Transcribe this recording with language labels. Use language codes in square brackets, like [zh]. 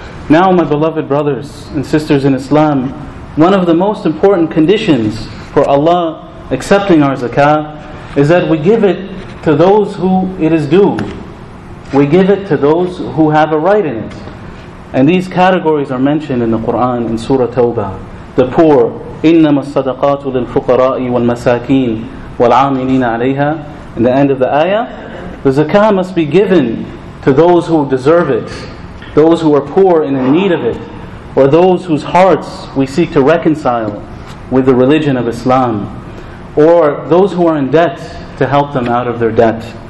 [en] Now, my beloved brothers and sisters in Islam, one of the most important conditions for Allah accepting our zakah is that we give it to those who it is due. We give it to those who have a right in it. And these categories are mentioned in the Quran in Surah Tawbah. The poor, [ar] إِنَّمَا الصَّدَقَاتُ لِلْفُقَرَاءِ وَالْمَسَاكِينَ وَالْعَامِلِينَ عَلَيْهَا. [en] In the end of the ayah, the zakah must be given to those who deserve it, those who are poor and in need of it, or those whose hearts we seek to reconcile with the religion of Islam, or those who are in debt to help them out of their debt.